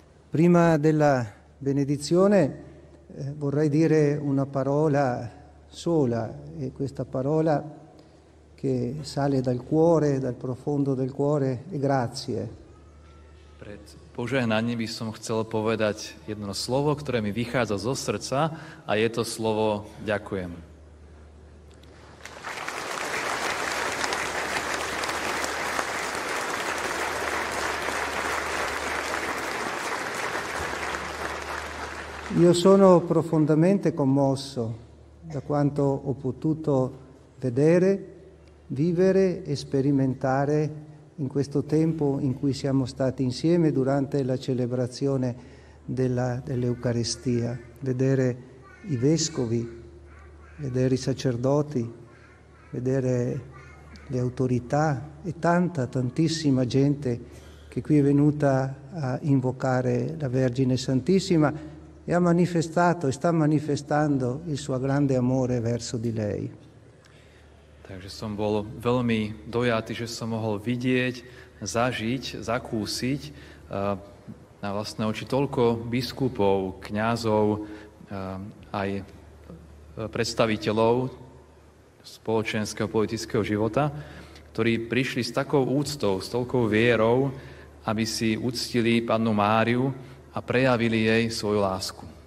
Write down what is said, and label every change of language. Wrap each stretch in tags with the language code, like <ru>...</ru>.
<it>Prima della benedizione vorrei dire una parola sola, e questa parola che sale dal cuore, dal profondo del cuore, è grazie.</it> <sk>Pred požehnaním by som chcel povedať jedno slovo, ktoré mi vychádza zo srdca, a je to slovo ďakujem.</sk> <it>Io sono profondamente commosso da quanto ho potuto vedere, vivere e sperimentare in questo tempo in cui siamo stati insieme durante la celebrazione dell'Eucaristia. Vedere i vescovi, vedere i sacerdoti, vedere le autorità e tanta, tantissima gente che qui è venuta a invocare la Vergine Santissima e ha manifestato e sta manifestando il suo grande amore verso di lei.</it> <sk>Takže som bol veľmi dojatý, že som mohol vidieť, zažiť, zakúsiť na vlastné oči toľko biskupov, kňazov, aj predstaviteľov spoločenského politického života, ktorí prišli s takou úctou, s toľkou vierou, aby si uctili Pannu Máriu a prejavili jej svoju lásku.</sk>